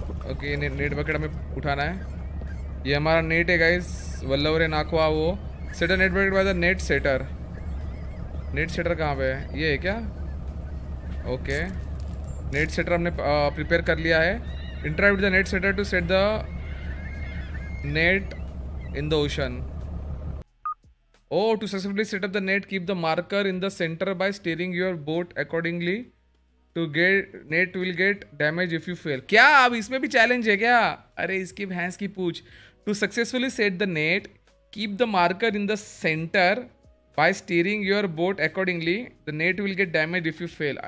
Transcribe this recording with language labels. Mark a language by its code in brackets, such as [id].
[hi] Okay net bucket हमें उठाना है, ये हमारा नेट है गाइस, वल्लभ रे नाखवा वो [en] Setter net bucket by the net setter. [hi] Net shutter कहाँ पे है, ये है क्या, ओके नेट सेटर हमने प्रिपेयर कर लिया है, [en] Interview the net setter to set the net in the ocean. Oh, to successfully set up the net, keep the marker in the center by steering your boat accordingly. To get net will get damaged if you fail. [hi] क्या अब इसमें भी challenge है क्या, अरे इसकी भैंस की पूछ। [en] To successfully set the net, keep the marker in the center by steering your boat accordingly. The net will get damaged if you fail.